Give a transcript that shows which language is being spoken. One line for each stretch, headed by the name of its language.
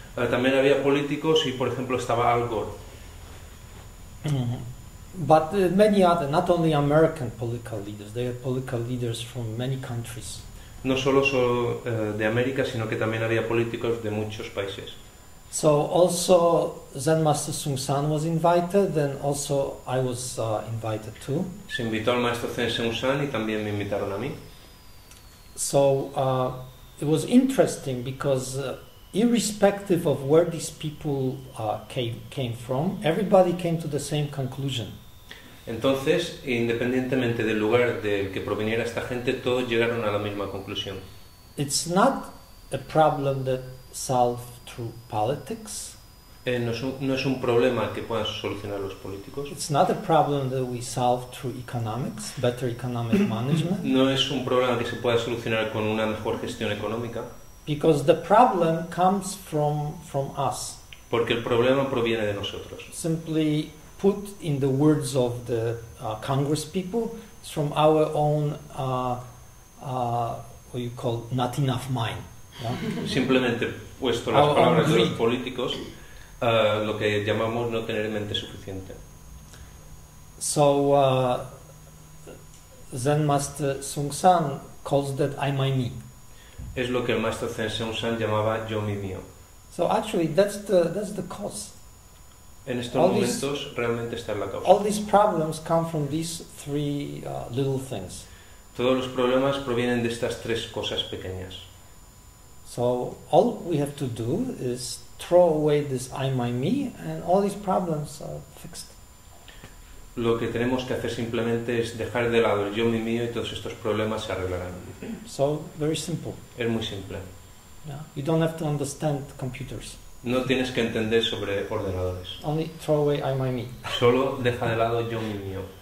Spanish: También había políticos y, por ejemplo, estaba Al Gore.
English: But many other, not only American political leaders, they had political leaders from many countries.
Spanish: No solo de América, sino que también había políticos de muchos países.
English: So also Zen Master Sung San was invited, then also I was invited too.
Spanish: Se invitó al maestro Zen Sung San y también me invitaron a mí.
English: So it was interesting because irrespective of where these people came from, everybody came to the same conclusion.
Spanish: Entonces, independientemente del lugar del que proviniera esta gente, todos llegaron a la misma conclusión.
English: It's not a problem that solved through politics.
Spanish: No es un problema que puedan solucionar los políticos.
English: It's not a problem that we solve through economics, better economic management.
Spanish: No es un problema que se pueda solucionar con una mejor gestión económica.
English: Because the problem comes from us.
Spanish: Porque el problema proviene de nosotros.
English: Simply put in the words of the Congress people, it's from our own what you call not enough mind. Yeah?
Spanish: Simplemente puesto las palabras de los políticos. Lo que llamamos no tener en mente suficiente.
English: So Zen Master Sung San calls that I my me.
Spanish: Es lo que el maestro Zen Sung San llamaba yo mi mío.
English: So actually that's the cause.
Spanish: En estos all momentos these, realmente está la causa.
English: All these problems come from these three little things.
Spanish: Todos los problemas provienen de estas tres cosas pequeñas.
English: So all we have to do is throw away this I, my, me, and all these problems are fixed.
Spanish: Lo que tenemos que hacer simplemente es dejar de lado el yo, mi, mío, y todos estos problemas se arreglarán.
English: So, very simple.
Spanish: Es muy simple.
English: Yeah. You don't have to understand computers.
Spanish: No tienes que entender sobre ordenadores.
English: Only throw away I, my, me.
Spanish: Solo deja de lado yo, mi, mío.